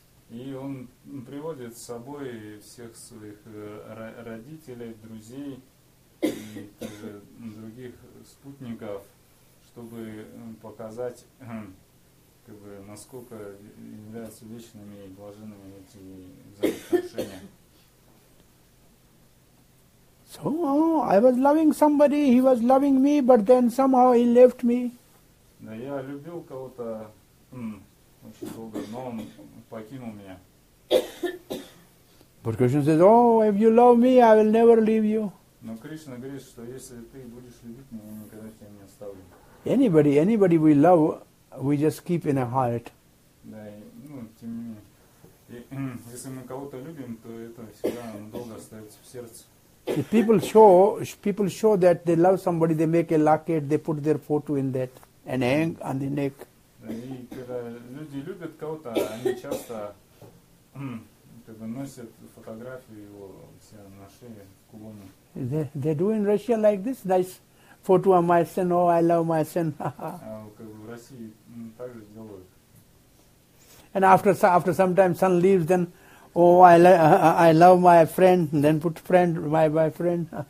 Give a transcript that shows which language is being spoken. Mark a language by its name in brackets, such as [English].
[Russian] И он приводит с собой всех своих родителей, друзей и других спутников, чтобы показать, как бы, насколько являются вечными и блаженными эти взаимоотношения. [English] So, I was loving somebody, he was loving me, but then somehow he left me. [Russian] Да, я любил кого-то очень долго, но он покинул меня. [English] But Krishna says, oh, if you love me, I will never leave you. [Russian] Но Кришна говорит, что если ты будешь любить меня, я никогда тебя не оставлю. [English] Anybody we love, we just keep in our heart. [Russian] Да, ну, тем не менее. Если мы кого-то любим, то это всегда долго остается в сердце. [English] If people show that they love somebody, they make a locket, they put their photo in that, and hang on the neck. [Russian] И когда люди любят кого-то, они часто носят фотографию его на шее, кулоне. [English] They do in Russia like this, nice photo of my son, oh, I love my son. [Russian] В России так же делают. [English] And after some time, son leaves, then, oh, I love my friend, and then put friend, my friend.